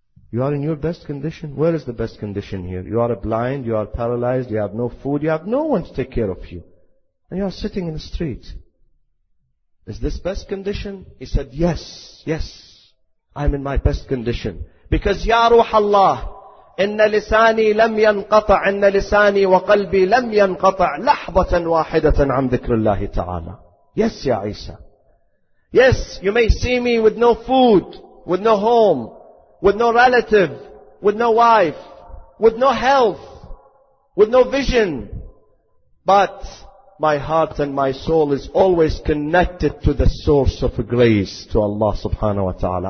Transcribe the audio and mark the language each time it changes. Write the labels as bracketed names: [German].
[English] You are in your best condition. Where is the best condition here? You are blind, you are paralyzed, you have no food, you have no one to take care of you. And you are sitting in the street. Is this best condition? He said, yes, yes. I am in my best condition. Because [Arabic] يا روح الله إن لساني لم ينقطع إن لساني وقلبي لم ينقطع لحظة واحدة عن ذكر الله تعالى. [English] Yes, [Arabic] يا عيسى. [English] Yes, you may see me with no food, with no home, with no relative, with no wife, with no health, with no vision. But my heart and my soul is always connected to the source of grace, to Allah subhanahu wa ta'ala.